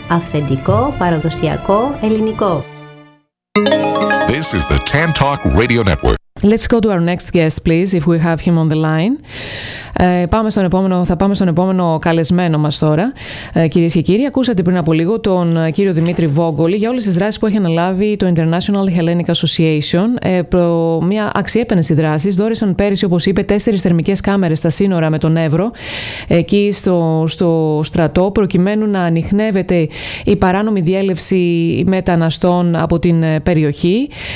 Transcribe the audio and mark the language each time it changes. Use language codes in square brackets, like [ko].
[el] Αυθεντικό, παραδοσιακό, ελληνικό. [en] This is the Tantalk Radio Network. Let's go to our next guest, please, if we have him on the line. [el] Θα πάμε στον επόμενο καλεσμένο μας τώρα. Κυρίες και κύριοι, ακούσατε πριν από λίγο τον κύριο Δημήτρη Βόγκολη για όλες τις δράσεις που έχει αναλάβει το International Hellenic Association. Μια αξιέπαινες δράσεις. Δώρησαν πέρυσι, όπως είπε, 4 θερμικές κάμερες στα σύνορα με τον Εύρο, εκεί στο στρατό, προκειμένου να ανοιχνεύεται η παράνομη διέλευση μεταναστών από την περιοχή.